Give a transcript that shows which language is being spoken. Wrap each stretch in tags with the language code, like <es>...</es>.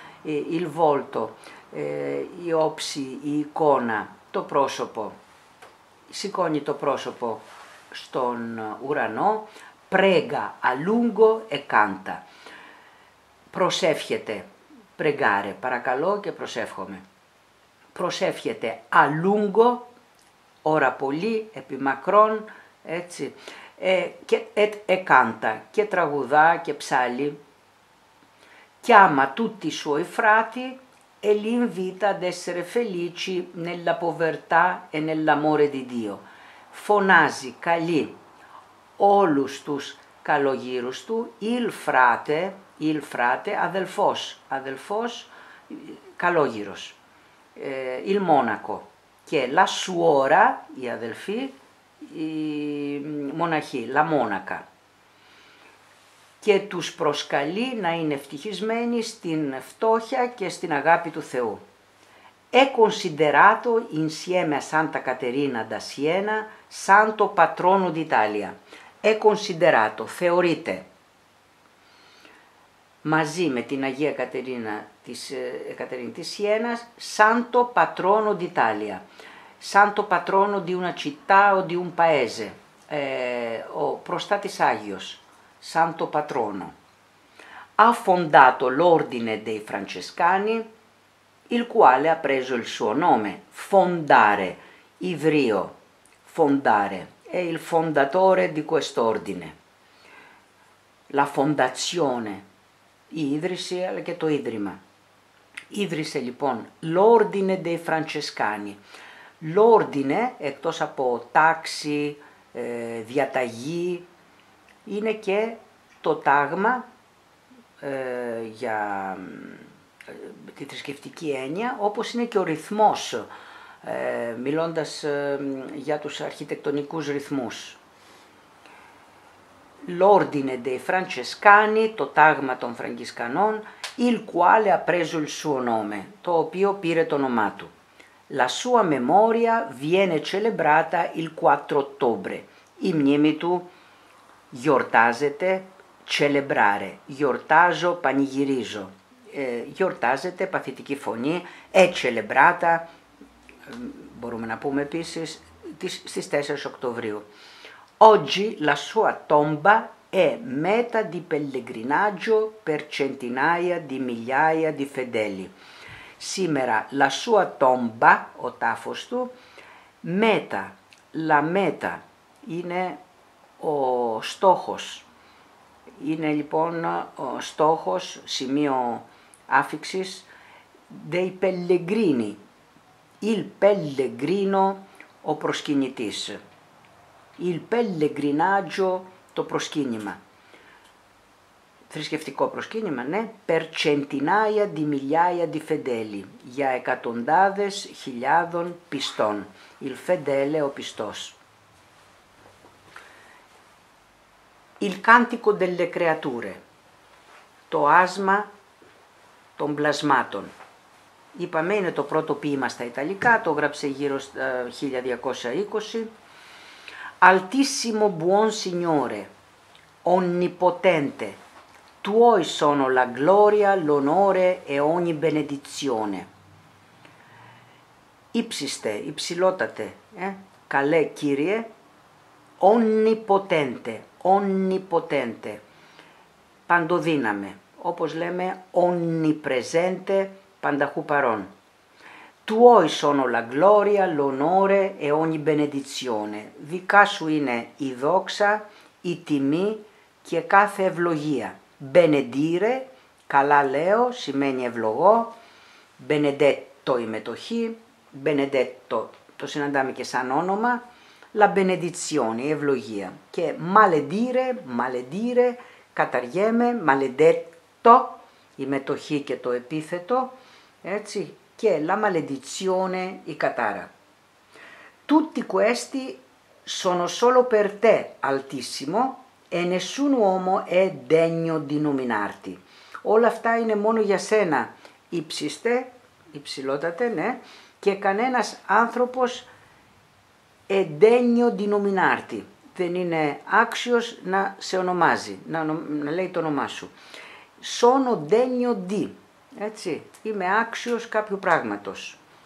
<it>Il volto,</it> <el>η όψη, η εικόνα, το πρόσωπο. Σηκώνει το πρόσωπο στον ουρανό,</el> <it>prega a lungo e canta.</it> <el>Προσεύχεται,</el> <it>πρεγκάρε,</it> <el>παρακαλώ και προσεύχομαι. Προσεύχεται</el> <it>a lungo,</it> <el>ώρα πολύ, επί μακρόν, έτσι, και</el> <it>εκάντα,</it> <el>και τραγουδά και ψάλλει.</el> <it>Κι άμα tutti i suoi frati, e l'invita ad essere felici nella povertà e nell'amore di Dio.</it> <el>Φωνάζει, καλεί όλους τους καλογύρους του,</el> <it>il frate,</it> <el>αδελφός, αδελφός, καλόγυρος,</el> <it>il monaco.</it> <el>Και</el> <it>la suora,</it> <el>η αδελφή, η μοναχή,</el> <it>la monaca.</it> <el>Και τους προσκαλεί να είναι ευτυχισμένοι στην φτώχεια και στην αγάπη του Θεού.</el> <it>È considerato insieme a Santa Caterina da Siena, santo patrono d'Italia. È considerato,</it> <el>θεωρείται, μαζί με την Αγία Κατερίνα της, Κατερίνη της Σιένας,</el> <it>santo patrono d'Italia. Santo patrono di una città o di un paese.</it> <el>Ο προστάτης Άγιος.</el> <it>Santo patrono. Ha fondato l'ordine dei francescani, il quale ha preso il suo nome. Fondare,</it> <el>ivrio,</el> <it>fondare. È il fondatore di quest'ordine. La fondazione,</it> <el>ίδρυση, αλλά και το ίδρυμα. Ίδρυσε λοιπόν</el> <it>l'ordine dei francescani. L'ordine,</it> <el>εκτός από τάξη, διαταγή, είναι και το τάγμα, για τη θρησκευτική έννοια, όπως είναι και ο ρυθμός, μιλώντας για τους αρχιτεκτονικούς ρυθμούς.</el> <it>L'ordine dei francescani,</it> <el>το τάγμα των Φραγκισκανών,</el> <it>il quale ha preso il suo nome,</it> <el>το οποίο πήρε το όνομά του.</el> <it>La sua memoria viene celebrata il 4 ottobre.</it> <el>Η μνήμη του γιορτάζεται,</el> <it>celebrare,</it> <el>γιορτάζω, πανηγυρίζω. Γιορτάζεται, παθητική φωνή,</el> <it>è celebrata,</it> <el>μπορούμε να πούμε επίσης, στις 4 Οκτωβρίου.</el> <it>Oggi la sua tomba è meta di pellegrinaggio per centinaia di migliaia di fedeli.</it> <el>Σήμερα</el> <it>la sua tomba,</it> <el>ο τάφος του,</el> <it>meta, la meta,</it> <el>είναι ο στόχος. Είναι λοιπόν ο στόχος, σημείο άφιξης,</el> <it>dei pellegrini, il pellegrino,</it> <el>ο προσκυνητής.</el> <it>Il pellegrinaggio,</it> <el>το προσκύνημα. Θρησκευτικό προσκύνημα, ναι.</el> <it>Per centinaia di migliaia di fedeli.</it> <el>Για εκατοντάδες χιλιάδων πιστών.</el> <it>Il fedele,</it> <el>ο πιστός.</el> <it>Il cantico delle creature.</it> <el>Το άσμα των πλασμάτων. Είπαμε, είναι το πρώτο ποίημα στα Ιταλικά, το γράψε γύρω στα 1220.</el> <it>Altissimo buon signore, onnipotente, tuoi sono la gloria, l'onore e ogni benedizione.</it> <el>Ύψιστε, υψηλότατε, καλέ Κύριε,</el> <it>onnipotente, onnipotente,</it> <el>παντοδύναμε, όπως λέμε,</el> <it>onnipresente,</it> <el>πανταχού παρόν.</el> <it>Tuoi sono la gloria, l'onore e ogni benedizione.</it> <el>Δικά σου είναι η δόξα, η τιμή και κάθε ευλογία.</el> <it>Benedire,</it> <el>καλά λέω, σημαίνει ευλογώ.</el> <it>Benedetto,</it> <el>η μετοχή.</el> <it>benedetto,</it> <el>το Sinandami che san onoma,</el> <it>la benedizione,</it> <el>ευλογία,</el> <it>che maledire, maledire,</it> <el>καταργέμε,</el> <it>maledetto,</it> <el>η μετοχή και το επίθετο, έτσι, και</el> <it>la maledizione,</it> <el>η κατάρα.</el> <it>Tutti questi sono solo per te, altissimo, e nessun uomo è degno di nominarti.</it> <el>Όλα αυτά είναι μόνο για σένα, ύψιστε, υψηλότατε, ναι, και κανένας άνθρωπος</el> <it>è degno di nominarti.</it> <el>Δεν είναι άξιος να σε ονομάζει, να λέει το όνομά σου.</el> <it>Sono degno di,</it> <el>έτσι, είμαι άξιος κάποιου πράγματος.</el>